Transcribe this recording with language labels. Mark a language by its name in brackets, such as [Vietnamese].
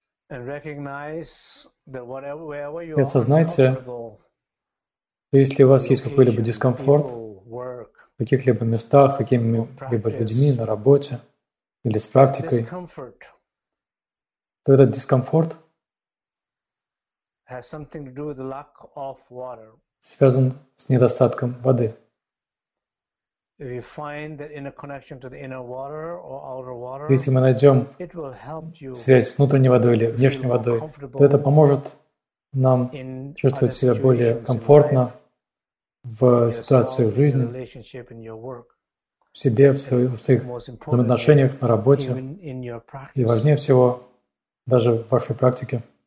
[English] And recognize that whatever, wherever you [Russian] И осознайте, что если у вас есть какой-либо дискомфорт в каких-либо местах, с какими-либо людьми на работе или с практикой, то этот дискомфорт [English] has something to do with the lack of water. [Russian] Связан с недостатком воды. [English] If you find that inner connection to the inner water or outer water, [Russian] если мы найдем связь с внутренней водой или внешней водой, то это поможет нам чувствовать себя более комфортно в ситуации в жизни, в себе, в своих взаимоотношениях, на работе и, важнее всего, даже в вашей практике.